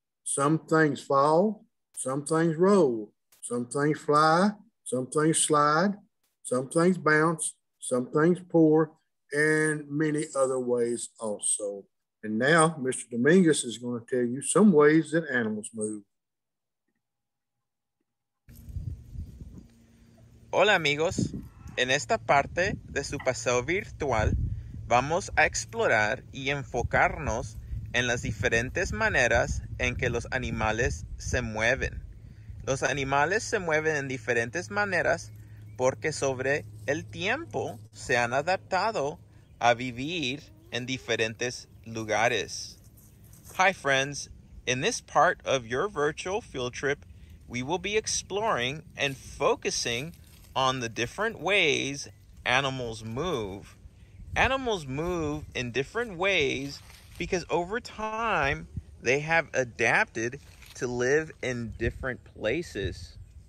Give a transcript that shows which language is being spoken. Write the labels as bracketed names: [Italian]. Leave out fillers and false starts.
[English] Some things fall, some things roll, some things fly, some things slide, some things bounce, some things pour, and many other ways also. And now Mr. Dominguez is going to tell you some ways that animals move. [Spanish] Hola amigos, en esta parte de su paseo virtual vamos a explorar y enfocarnos en las diferentes maneras en que los animales se mueven. Los animales se mueven en diferentes maneras porque sobre el tiempo se han adaptado a vivir en diferentes lugares. [English] Hi friends, in this part of your virtual field trip, we will be exploring and focusing on the different ways animals move. Animals move in different ways because over time they have adapted to live in different places.